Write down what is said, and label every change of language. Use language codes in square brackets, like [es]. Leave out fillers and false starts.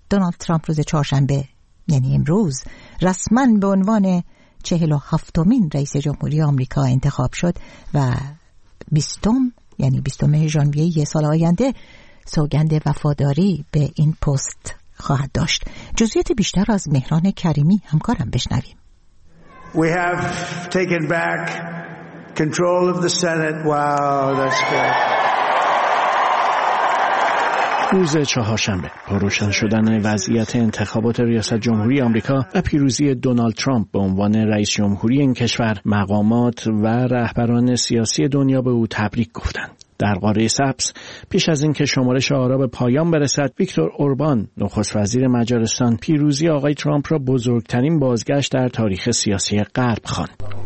[fa] دونالد ترامپ روز چهارشنبه، یعنی امروز، رسما به عنوان 47th رئیس جمهوری آمریکا انتخاب شد و 20th، یعنی 20 ژانویه یه سال آینده، سوگند وفاداری به این پست خواهد داشت. جزئیات بیشتر از مهران کریمی همکارم بشنویم. [en] We have taken back control of the Senate. Wow, that's good. [fa] روز چهارشنبه با روشن شدن وضعیت انتخابات ریاست جمهوری آمریکا و پیروزی دونالد ترامپ به عنوان رئیس جمهوری این کشور، مقامات و رهبران سیاسی دنیا به او تبریک گفتند. در قاره سبز، پیش از اینکه شمارش آرا به پایان برسد، ویکتور اوربان، نخست وزیر مجارستان، پیروزی آقای ترامپ را بزرگترین بازگشت در تاریخ سیاسی غرب خواند.